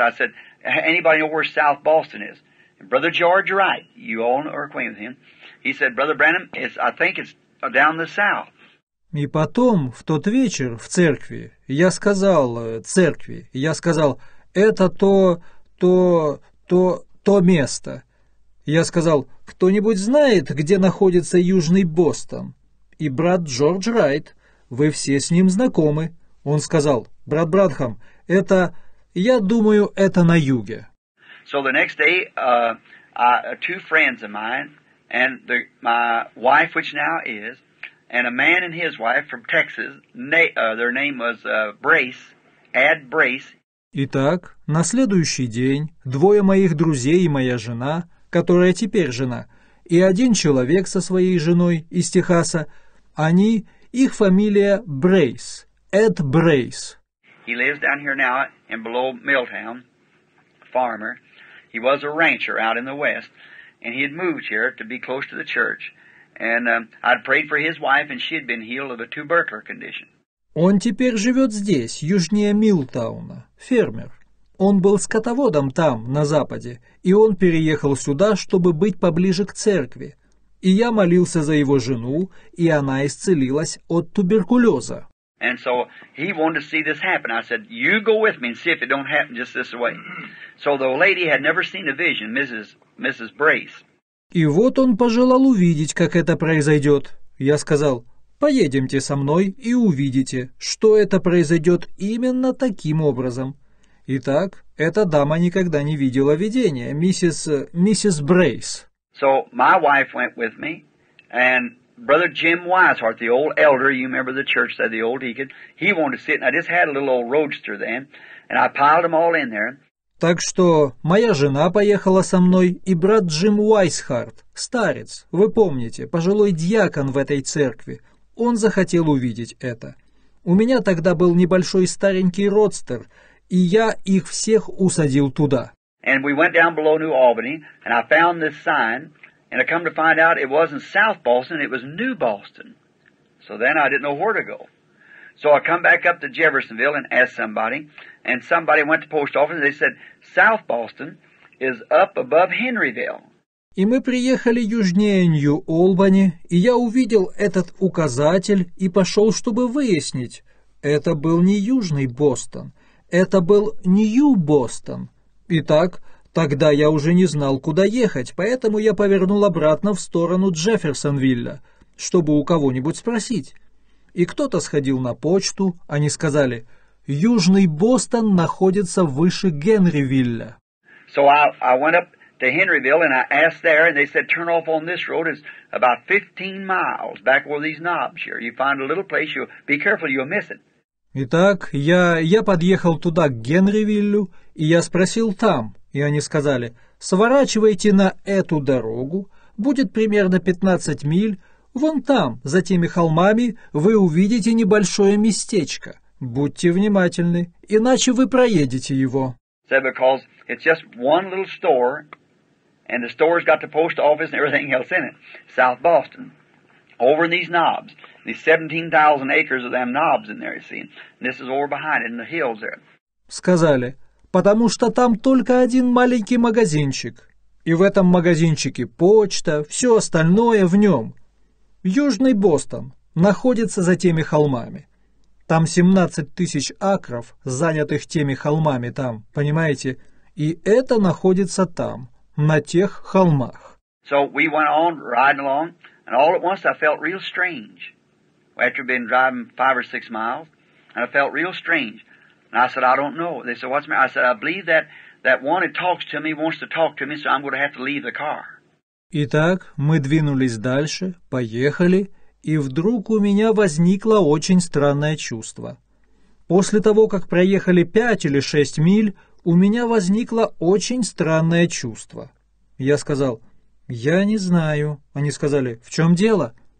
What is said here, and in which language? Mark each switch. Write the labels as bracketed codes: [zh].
[en] I said, anybody know where South Boston is? And Brother George Wright, you all are acquainted with him. He said, Brother Branham, I think it's down the south. [ru] И потом, в тот вечер, в церкви, я сказал церкви, я сказал, это то место. Я сказал, кто-нибудь знает, где находится Южный Бостон? И брат Джордж Райт, вы все с ним знакомы. Он сказал: брат Бранхам, это, я думаю, это на юге. [en] So the next day, two friends of mine, and my wife, which now is, and a man and his wife from Texas, their name was Brace, Ad Brace. [ru] Итак, на следующий день двое моих друзей и моя жена, которая теперь жена, и один человек со своей женой из Техаса, они, их фамилия Брейс, Эд Брейс. [en] He lives down here now in below Milltown, farmer. He was a rancher out in the west, and he had moved here to be close to the church. And I'd prayed for his wife, and she had been healed of a tubercular condition. [ru] Он теперь живет здесь, южнее Милтауна, фермер. Он был скотоводом там, на западе, и он переехал сюда, чтобы быть поближе к церкви. И я молился за его жену, и она исцелилась от туберкулеза. [en] And so he wanted to see this happen. I said, you go with me and see if it don't happen just this way. So the lady had never seen a vision, Mrs. Brace. [ru] И вот он пожелал увидеть, как это произойдет. Я сказал, поедемте со мной и увидите, что это произойдет именно таким образом. Итак, эта дама никогда не видела видения, миссис Брейс. [en] So my wife went with me, and Brother Jim Wisehart, the old elder, you remember the church, said the old deacon, he wanted to sit, and I just had a little old roadster then, and I piled them all in there. [ru] Так что моя жена поехала со мной, и брат Джим Уайсхарт, старец, вы помните, пожилой дьякон в этой церкви, он захотел увидеть это. У меня тогда был небольшой старенький родстер, и я их всех усадил туда. [en] And we went down below New Albany, and I found this sign, and I come to find out it wasn't South Boston, it was New Boston. So then I didn't know where to go. So I come back up to Jeffersonville and asked somebody, and somebody went to post office, and they said, South Boston is up above Henryville. [ru] И мы приехали южнее Нью-Олбани, и я увидел этот указатель и пошел, чтобы выяснить. Это был не Южный Бостон, это был Нью-Бостон. Итак, тогда я уже не знал, куда ехать, поэтому я повернул обратно в сторону Джефферсонвилля, чтобы у кого-нибудь спросить. И кто-то сходил на почту, они сказали, «Южный Бостон находится выше Генривилля». [en] So I went up to Henryville, and I asked there, and they said, turn off on this road, it's about 15 miles back over these knobs here. You find a little place, you be careful, you'll miss it. [ru] Итак, я подъехал туда, к Генривиллю, и я спросил там, и они сказали, сворачивайте на эту дорогу, будет примерно 15 миль, вон там, за теми холмами, вы увидите небольшое местечко. Будьте внимательны, иначе вы проедете его. [en] Said, because it's just one little store, and the store's got the post office and everything else in it, South Boston, over in these knobs, these 17,000 acres of them knobs in there, you see, and this is over behind it, in the hills there. [ru] Сказали, потому что там только один маленький магазинчик, и в этом магазинчике почта, все остальное в нем. Южный Бостон находится за теми холмами. Там 17 тысяч акров, занятых теми холмами там, понимаете? И это находится там, на тех холмах. [en] So we went on riding along, and all at once I felt real strange. After been driving 5 or 6 miles, and I felt real strange. And I said, I don't know. They said, what's the matter? I said, I believe that one who talks to me wants to talk to me, so I'm going to have to leave the car. [ru] Итак, мы двинулись дальше, поехали, и вдруг у меня возникло очень странное чувство. После того, как проехали 5 или 6 миль, у меня возникло очень странное чувство. Я сказал, «Я не знаю». Они сказали, «В чем дело?»